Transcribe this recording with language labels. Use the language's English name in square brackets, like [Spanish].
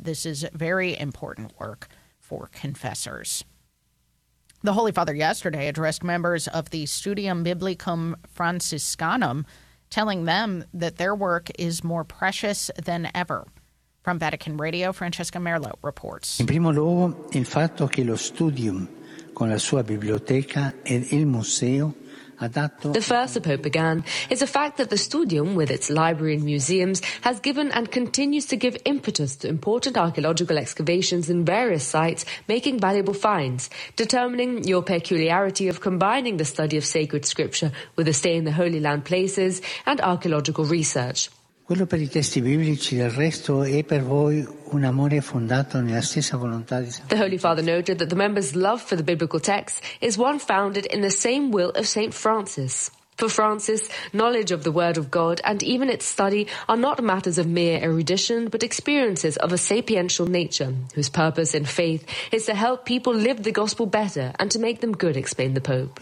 [English] "This is very important work for confessors." The Holy Father yesterday addressed members of the Studium Biblicum Franciscanum, telling them that their work is more precious than ever. From Vatican Radio, Francesca Merlo reports. [Italian] In primo luogo, il fatto che lo Studium, con la sua biblioteca e il museo, [English] the first the Pope began is the fact that the Studium, with its library and museums, has given and continues to give impetus to important archaeological excavations in various sites, making valuable finds, determining your peculiarity of combining the study of sacred scripture with a stay in the Holy Land places and archaeological research. [Italian] Quello per I testi biblici, del resto, è per voi un amore fondato nella stessa volontà di [English] Saint. The Holy Father noted that the members' love for the biblical texts is one founded in the same will of Saint Francis. For Francis, knowledge of the Word of God and even its study are not matters of mere erudition, but experiences of a sapiential nature, whose purpose in faith is to help people live the gospel better and to make them good, explained the Pope.